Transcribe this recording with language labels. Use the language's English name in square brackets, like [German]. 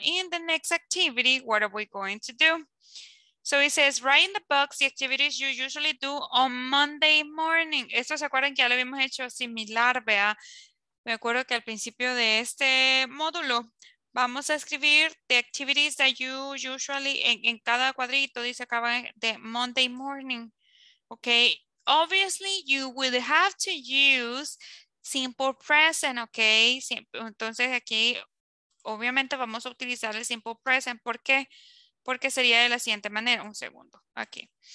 [English] In the next activity, what are we going to do? So it says, write in the box the activities you usually do on Monday morning. [Spanish] Esto se acuerdan que ya lo habíamos hecho similar, vea. Me acuerdo que al principio de este módulo, vamos a escribir [English] the activities that you usually, [Spanish] en cada cuadrito dice acaba de Monday morning. [English] Okay, obviously you will have to use simple present, okay? [Spanish] Entonces aquí obviamente vamos a utilizar el simple present. ¿Por qué? Porque sería de la siguiente manera, un segundo, aquí.